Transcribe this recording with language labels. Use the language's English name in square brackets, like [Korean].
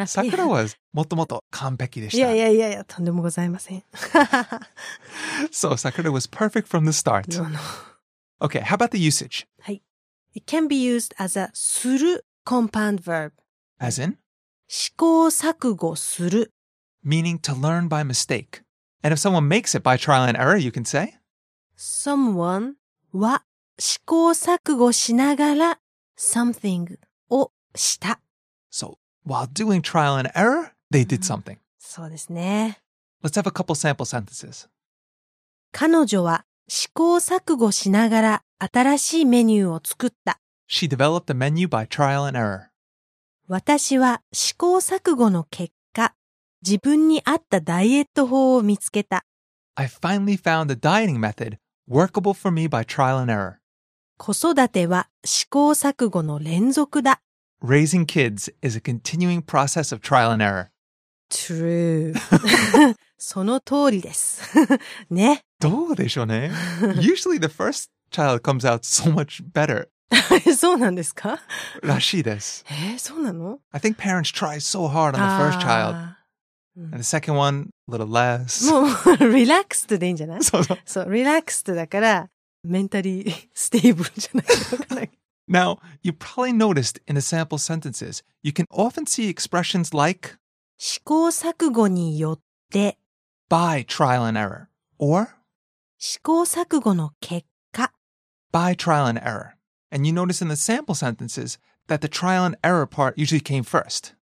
[Japanese] さくらはもともと完璧でした。いやいやいや、とんでもございません。 [English] So, Sakura was perfect from the start. No, no. Okay, how about the usage? はい。It can be used as a する compound verb. As in? [Japanese] 試行錯誤する。 [English] Meaning to learn by mistake. And if someone makes it by trial and error, you can say? [Japanese] Someone は試行錯誤しながら something をした。 [English] So, while doing trial and error, they did something. [Japanese] そうですね。 [English] Let's have a couple sample sentences. [Japanese] 彼女は試行錯誤しながら新しいメニューを作った。 [English] She developed a menu by trial and error. [Japanese] 私は試行錯誤の結果、自分に合ったダイエット法を見つけた。 [English] I finally found a dieting method workable for me by trial and error. [Japanese] 子育ては試行錯誤の連続だ。 [English] Raising kids is a continuing process of trial and error. [Japanese] True. その通りです。ね。どうでしょうね。 [English] Usually the first child comes out so much better. [Japanese] そうなんですか? らしいです。そうなの? [English] I think parents try so hard on the first child. And the second one, a little less. [Japanese] もう、relaxed でいいんじゃない? そうそう。そう、relaxed だから、 [English] mentally stable [Japanese] じゃないのかな。 [English] Now, you probably noticed in the sample sentences, you can often see expressions like [Japanese] 試行錯誤によって [English] by trial and error or [Japanese] 試行錯誤の結果 [English] by trial and error. And you notice in the sample sentences that the trial and error part usually came first.